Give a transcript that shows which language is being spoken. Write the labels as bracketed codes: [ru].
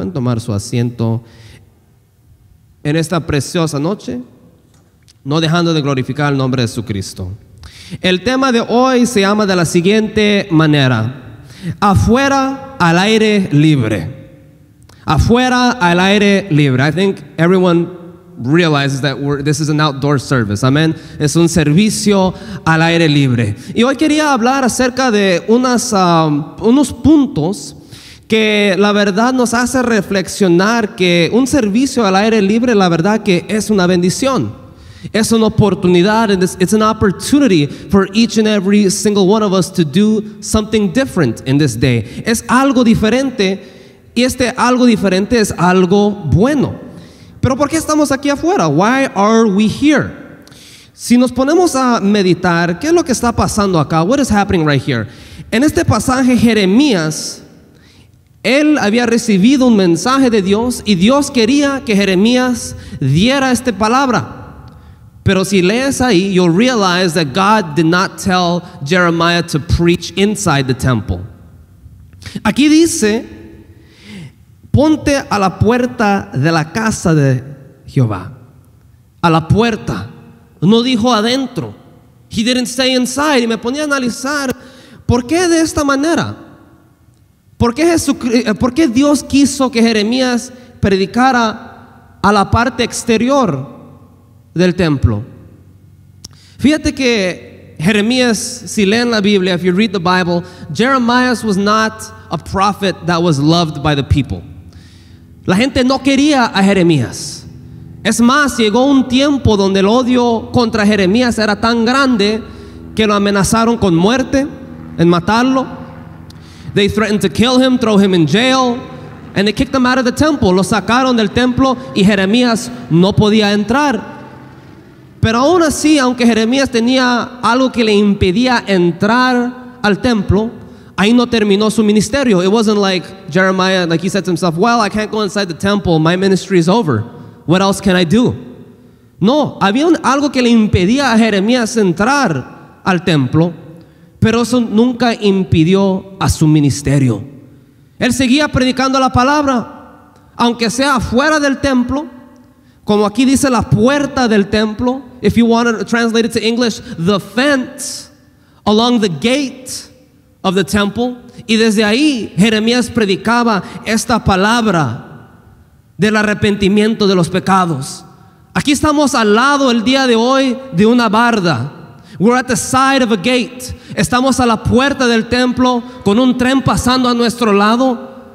[es] Pueden tomar su asiento en esta preciosa noche, no dejando de glorificar el nombre de Jesucristo. El tema de hoy se llama de la siguiente manera: afuera al aire libre. Afuera al aire libre. [en] I think everyone realizes that this is an outdoor service. [es] Amen. Es un servicio al aire libre. Y hoy quería hablar acerca de unos puntos que la verdad nos hace reflexionar que un servicio al aire libre, la verdad que es una bendición. Es una oportunidad, [en] and it's an opportunity for each and every single one of us to do something different in this day. [es] Es algo diferente, y este algo diferente es algo bueno. Pero ¿por qué estamos aquí afuera? [en] Why are we here? [es] Si nos ponemos a meditar, ¿qué es lo que está pasando acá? [en] What is happening right here? [es] En este pasaje, Jeremías, él había recibido un mensaje de Dios, y Dios quería que Jeremías diera esta palabra. Pero si lees ahí, [en] you'll realize that God did not tell Jeremiah to preach inside the temple. [es] Aquí dice, ponte a la puerta de la casa de Jehová. A la puerta. No dijo adentro. [en] He didn't say inside. [es] Y me ponía a analizar, ¿por qué de esta manera? ¿Por qué Dios quiso que Jeremías predicara a la parte exterior del templo? Fíjate que Jeremías, si leen la Biblia, [en] if you read the Bible, Jeremiah was not a prophet that was loved by the people. [es] La gente no quería a Jeremías. Es más, llegó un tiempo donde el odio contra Jeremías era tan grande que lo amenazaron con muerte, en matarlo. [en] They threatened to kill him, throw him in jail, and they kicked him out of the temple. [es] Lo sacaron del templo y Jeremías no podía entrar. Pero aún así, aunque Jeremías tenía algo que le impedía entrar al templo, ahí no terminó su ministerio. It wasn't like Jeremiah, like he said to himself, well, I can't go inside the temple, my ministry is over. What else can I do? No, había algo que le impedía a Jeremías entrar al templo, pero eso nunca impidió a su ministerio. Él seguía predicando la palabra, aunque sea fuera del templo, como aquí dice la puerta del templo. [en] If you want to translate it to English, the fence along the gate of the temple. [es] Y desde ahí, Jeremías predicaba esta palabra del arrepentimiento de los pecados. Aquí estamos al lado el día de hoy de una barda. [en] We're at the side of a gate. [es] Estamos a la puerta del templo con un tren pasando a nuestro lado.